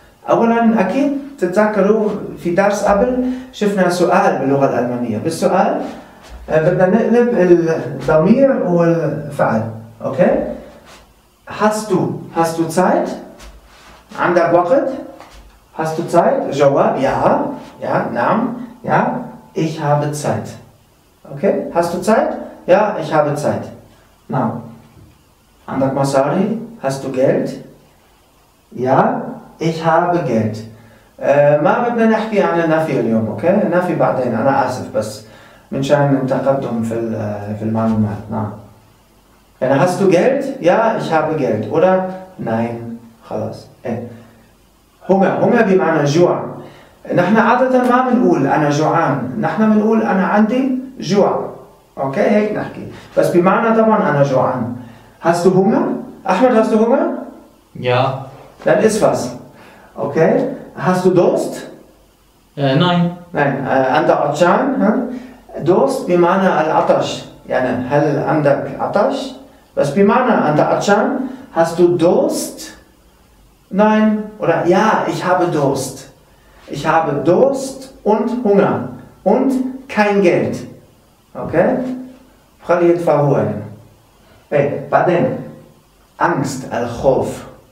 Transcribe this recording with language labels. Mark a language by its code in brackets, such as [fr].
[ar] اولا اكيد تتذكروا في درس قبل شفنا سؤال باللغة الألمانية، بالسؤال بدنا نقلب الضمير والفعل، اوكي؟ [de] hast du Zeit؟ [ar] عندك وقت؟ hast du Zeit؟ جواب يا، يا نعم، يا [de] ich habe Zeit. اوكي؟ hast du Zeit؟ يا ich habe Zeit. [ar] نعم. عندك مصاري؟ [de] hast du Geld؟ يا ich habe Geld. [ar] ما بدنا نحكي عن النفي اليوم، اوكي؟ نفي بعدين، انا اسف بس من شان التقدم في المعلومات. [de] نعم، يعني hast du Geld؟ يا ich habe Geld، oder nein، خلاص. [ar] Hunger بمعنى جوع. نحن عادة ما بنقول أنا جوعان، نحن بنقول أنا عندي جوع، أوكي؟ هيك نحكي، بس بمعنى طبعا أنا جوعان. [de] hast du Hunger؟ أحمد hast du Hunger؟ يا yeah. dann iss was، أوكي؟ hast du Durst؟ nein. nein. [ar] عندك عطشان؟ دوست بمعنى العطش، يعني هل عندك عطش؟ بس بمعنى أنت عطشان. [de] hast du Durst؟ nein. oder ja ich habe Durst. ich habe Durst und Hunger und kein Geld. [ar] okay؟ فقال يدفع هو. ايه بعدين Angst، الخوف.